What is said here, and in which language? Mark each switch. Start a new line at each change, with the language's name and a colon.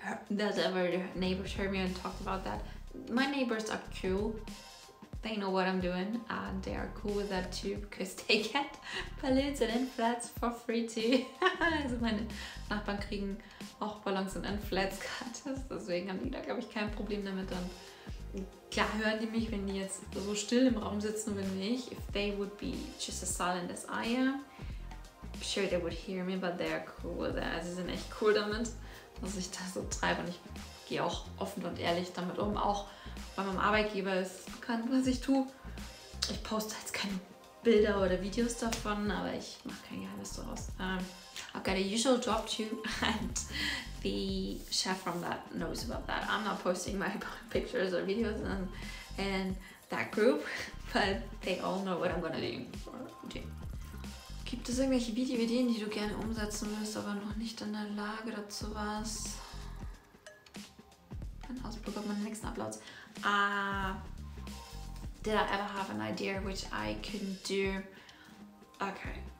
English: That's ever the neighbors heard me and talked about that. My neighbors are cool. They know what I'm doing and they are cool with that too because they get balloons and inflats for free too.
German: Also meine Nachbarn kriegen auch Ballons und Inflats gratis, deswegen haben die da glaube ich kein Problem damit. Und klar hören die mich, wenn die jetzt so still im Raum sitzen wie ich.
English: If they would be just as silent as I am, I'm sure they would hear me, but they are cool with that.
German: Also sie sind echt cool damit, was ich da so treibe und ich gehe auch offen und ehrlich damit um, auch bei meinem Arbeitgeber ist bekannt, was ich tue. Ich poste jetzt keine Bilder oder Videos davon, aber ich mache kein Geheimnis daraus.
English: I've got a usual job too and the chef from that knows about that. I'm not posting my pictures or videos in that group, but they all know what I'm gonna do.
German: Gibt es irgendwelche Video-Ideen, die du gerne umsetzen willst, aber noch nicht in der Lage dazu warst? Dann ausprobiert man den nächsten Applaus.
English: Did I ever have an idea which I couldn't do? Okay.